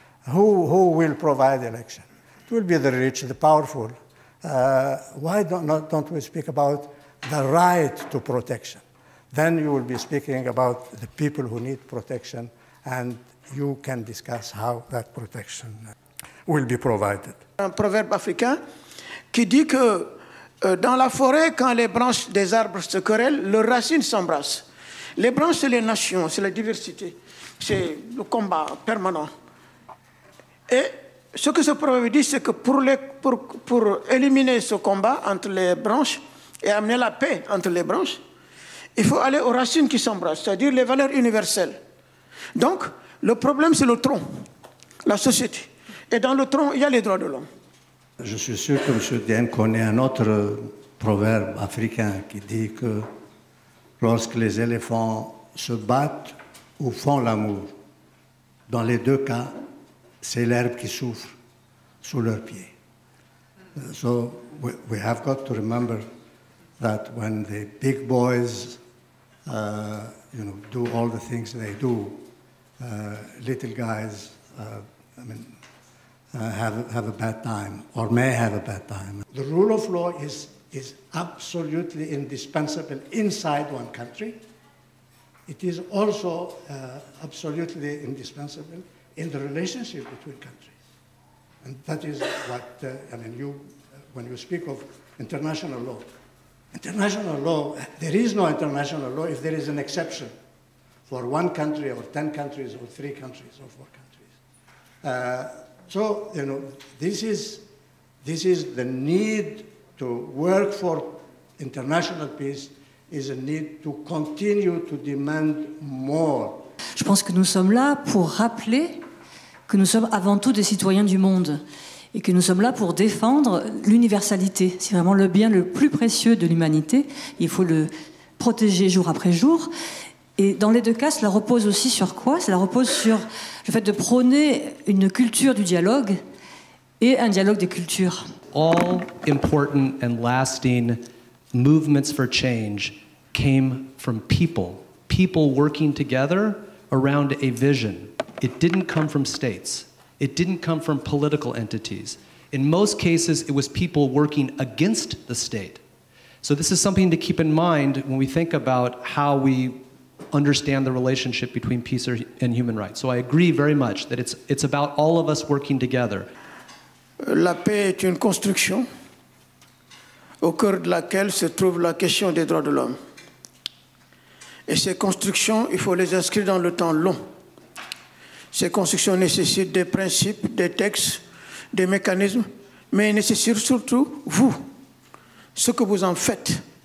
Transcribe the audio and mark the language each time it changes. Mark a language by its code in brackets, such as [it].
[en] Who will provide election? It will be the rich, the powerful. Why don't we speak about the right to protection? Then you will be speaking about the people who need protection, and you can discuss how that protection will be provided. [fr] Un proverbe africain qui dit que dans la forêt, quand les branches des arbres se querellent, leurs racines s'embrassent. Les branches, c'est les nations, c'est la diversité, c'est le combat permanent. Et ce que ce proverbe dit, c'est que pour éliminer ce combat entre les branches, et amener la paix entre les branches, il faut aller aux racines qui s'embrassent, c'est-à-dire les valeurs universelles. Donc, le problème, c'est le tronc, la société. Et dans le tronc, il y a les droits de l'homme. Je suis sûr que M. Dien connaît un autre proverbe africain qui dit que lorsque les éléphants se battent ou font l'amour, dans les deux cas, c'est l'herbe qui souffre sous leurs pieds. [en] So we have got to remember that when the big boys, you know, do all the things they do, little guys, have a bad time or may have a bad time. The rule of law is absolutely indispensable inside one country. It is also absolutely indispensable in the relationship between countries, and that is what when you speak of international law. International law, there is no international law if there is an exception for one country or 10 countries or 3 countries or 4 countries. This is the need to work for international peace is a need to continue to demand more. [fr] Je pense que nous sommes là pour rappeler que nous sommes avant tout des citoyens du monde. Et que nous sommes là pour défendre l'universalité. C'est vraiment le bien le plus précieux de l'humanité. Il faut le protéger jour après jour. Et dans les deux cas, cela repose aussi sur quoi ? Cela repose sur le fait de prôner une culture du dialogue et un dialogue des cultures. [en] All important and lasting movements for change came from people. People working together around a vision. It didn't come from states. It didn't come from political entities. In most cases, it was people working against the state. So this is something to keep in mind when we think about how we understand the relationship between peace and human rights. So I agree very much that it's about all of us working together. [fr] La paix est une construction au cœur de laquelle se trouve la question des droits de l'homme. Et ces constructions, il faut les inscrire dans le temps long. Ces constructions nécessitent des principes, des textes, des mécanismes, mais nécessitent surtout vous, ce que vous en faites.